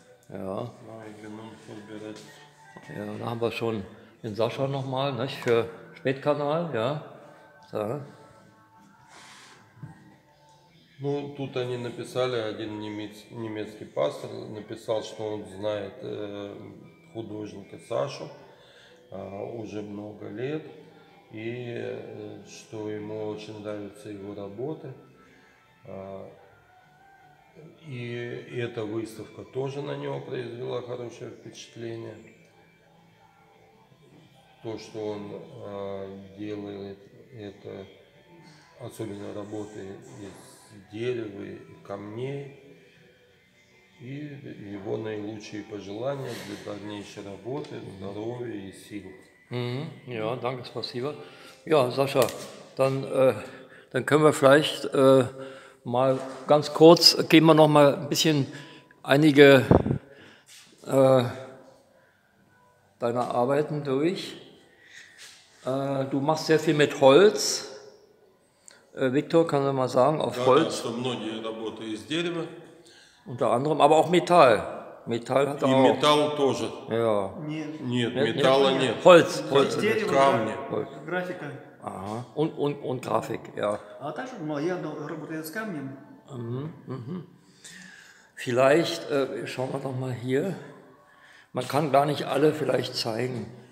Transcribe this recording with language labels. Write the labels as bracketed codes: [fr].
[de] Ja, da haben wir schon den Sascha noch mal, nicht, für Spätkanal, ja. Da. [ru] Ну, тут они написали, один немецкий пастор написал, что он знает художника Сашу уже много лет, и что ему очень нравятся его работы. И эта выставка тоже на него произвела хорошее впечатление. То, что он делает, это особенно работы из дерева и камней, и его наилучшие пожелания для дальнейшей работы, здоровья и сил. [de] Ja, danke, [ru] спасибо. [de] Ja, Sascha, dann können wir vielleicht mal ganz kurz, geben wir noch mal ein bisschen einige deiner Arbeiten durch. Du machst sehr viel mit Holz. Виктор, kann man mal sagen, auf Holz. [ru] Да, многие работы из дерева. [de] Unter anderem, aber auch Metall. Metall hat [ru] и [de] auch. [ru] Металл тоже. [de] Ja. [ru] Нет, металла нет. [de] Holz. [ru] Дерево, камни. Графика. [de] Ага. Und Grafik, ja. [ru] А также, мол, я работаю с камнем. [de] Vielleicht, schauen wir doch mal hier. Man kann gar nicht alle vielleicht zeigen.